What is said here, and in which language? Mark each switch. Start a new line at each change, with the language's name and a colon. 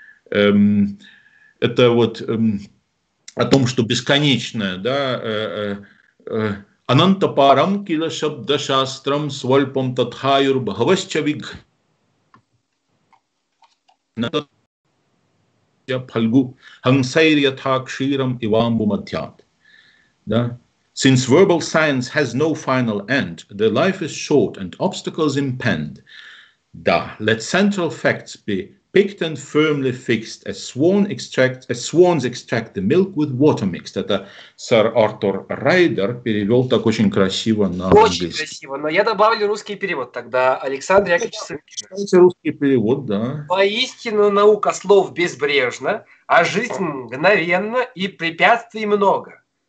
Russian: Это вот о том, что бесконечное, да,
Sanskrit: Ананта парам кила шабда шастрам свальпам татхайур бхавасчавиг. Я пальгу хансайр ятхакширам ивамбу матьят.
Russian: Да?
English: Since verbal science has no final end, the life is short and obstacles impend. Да, let central facts be picked and firmly fixed, as swans extract the milk with water mixed.
Russian: Это сэр Артур Райдер перевел так очень красиво на очень английский. Очень красиво, но я добавлю русский перевод тогда, Александр Яковлевич Сыркин. Это русский перевод, да. Воистину наука слов безбрежна, а жизнь мгновенна и препятствий много.